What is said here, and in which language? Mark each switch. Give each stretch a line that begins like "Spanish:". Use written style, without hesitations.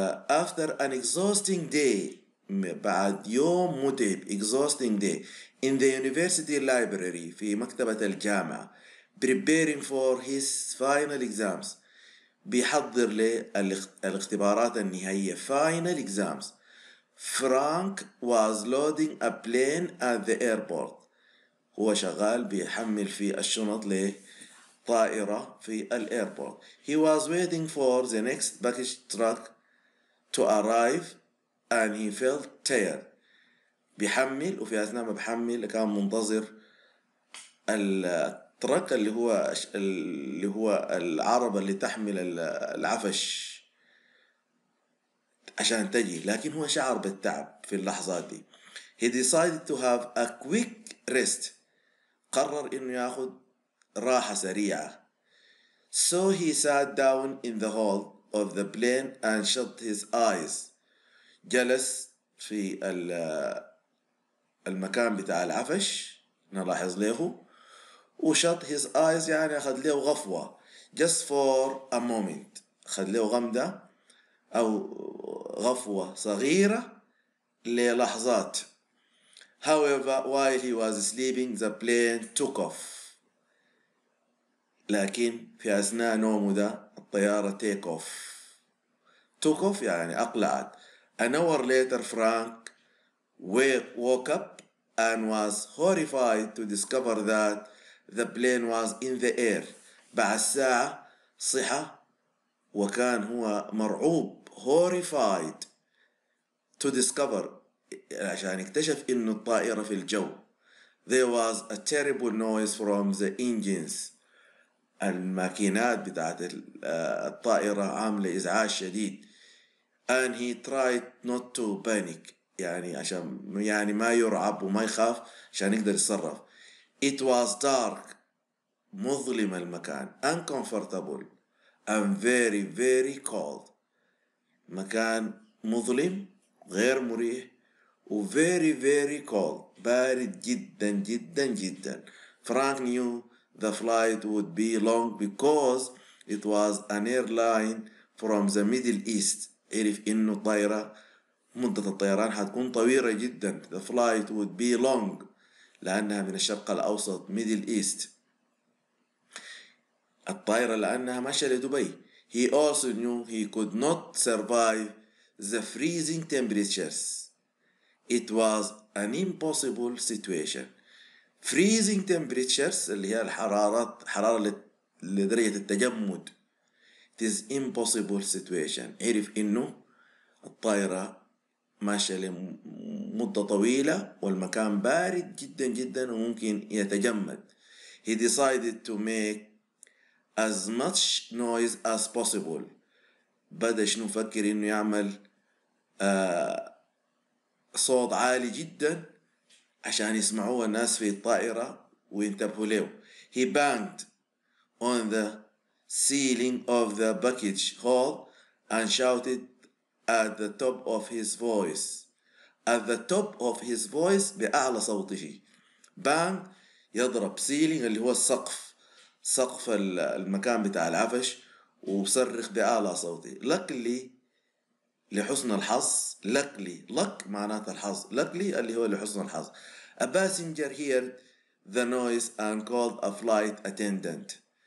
English: after an exhausting day
Arabic: بعد يوم متعب
English: exhausting day in the university library
Arabic: في مكتبة الجامعة
English: preparing for his final exams
Arabic: بيحضر للاختبارات النهائية
English: final exams Frank was loading a plane at the airport.
Arabic: هو شغال بيحمل في الشنط ل طائرة في الايربورت.
English: He was waiting for the next baggage truck to arrive and he felt tired.
Arabic: بيحمل وفي أثناء ما بحمل كان منتظر الترك اللي هو العربة اللي تحمل العفش عشان تجي، لكن هو شعر بالتعب في اللحظات دي.
English: He decided to have a quick rest.
Arabic: قرر انه ياخد راحة سريعة.
English: So he sat down in the hold of the plane and shut his eyes.
Arabic: جلس في المكان بتاع العفش نلاحظ له وشط
English: his eyes
Arabic: يعني أخذ له غفوة
English: just for a moment،
Arabic: أخذ له غمدة أو غفوة صغيرة للحظات.
English: However while he was sleeping the plane took off.
Arabic: لكن في أثناء نومه ده الطيارة
English: take off
Arabic: يعني أقلعت.
English: An hour later Frank woke up and was horrified to discover that the plane was in the air.
Arabic: بعد ساعة صحى وكان هو مرعوب
English: horrified to discover
Arabic: عشان اكتشف إنه الطائرة في الجو.
English: There was a terrible noise from the engines.
Arabic: الماكينات بتاعت الطائرة عاملة إزعاج شديد.
English: And he tried not to panic
Arabic: يعني عشان يعني ما يرعب وما يخاف عشان يقدر يتصرف.
English: It was dark
Arabic: مظلم المكان
English: uncomfortable and very very cold.
Arabic: مكان مظلم غير مريح و
English: very very cold
Arabic: بارد جدا جدا جدا.
English: Frank knew the flight would be long because it was an airline from the Middle East.
Arabic: عرف إنه طائرة مدة الطيران هتكون طويلة جدا.
English: The flight would be long
Arabic: لأنها من الشرق الأوسط
English: Middle East.
Arabic: الطائرة لأنها ماشية لدبي.
English: He also knew he could not survive the freezing temperatures. It was an impossible situation. Freezing temperatures
Arabic: اللي هي الحرارات حرارة لدرجة التجمد.
English: It is impossible situation.
Arabic: عرف إنه الطائرة ماشية لمدة طويلة والمكان بارد جدا جدا وممكن يتجمد.
English: He decided to make as much noise as possible.
Arabic: بدأ شنو فكر إنه يعمل صوت عالي جدا عشان يسمعوه الناس في الطائرة وينتبهوا له.
English: He banged on the ceiling of the baggage hall and shouted at the top of his voice. At the top of his voice
Arabic: بأعلى صوته. Bang يضرب ceiling اللي هو السقف. سقف المكان بتاع العفش وبصرخ بأعلى صوته. Luckily لحسن الحظ. Luckily luck معناته الحظ.
English: Luckily
Arabic: اللي هو لحسن الحظ.
English: A passenger heard the noise and called a flight attendant.